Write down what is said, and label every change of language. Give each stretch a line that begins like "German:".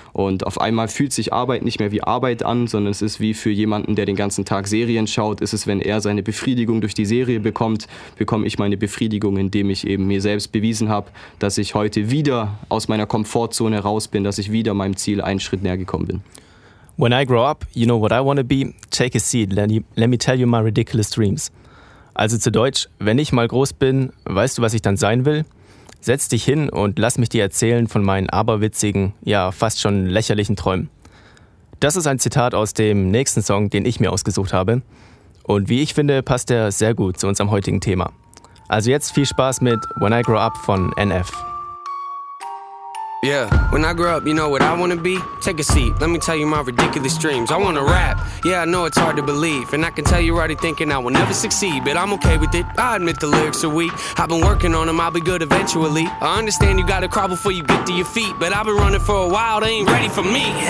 German: Und auf einmal fühlt sich Arbeit nicht mehr wie Arbeit an, sondern es ist wie für jemanden, der den ganzen Tag Serien schaut, ist es, wenn er seine Befriedigung durch die Serie bekommt, bekomme ich meine Befriedigung, indem ich eben mir selbst bewiesen habe, dass ich heute wieder aus meiner Komfortzone raus bin, dass ich wieder meinem Ziel einen Schritt näher gekommen bin.
English: When I grow up, you know what I want to be? Take a seat, let me tell you my ridiculous dreams.
German: Also zu Deutsch, wenn ich mal groß bin, weißt du, was ich dann sein will? Setz dich hin und lass mich dir erzählen von meinen aberwitzigen, ja, fast schon lächerlichen Träumen. Das ist ein Zitat aus dem nächsten Song, den ich mir ausgesucht habe. Und wie ich finde, passt er sehr gut zu unserem heutigen Thema. Also jetzt viel Spaß mit When I Grow Up von NF.
English: Yeah, when I grow up, you know what I wanna be? Take a seat, let me tell you my ridiculous dreams. I wanna rap, yeah, I know it's hard to believe. And I can tell you're already thinking I will never succeed. But I'm okay with it, I admit the lyrics are weak. I've been working on them, I'll be good eventually. I understand you gotta crawl before you get to your feet. But I've been running for a while, they ain't ready for me.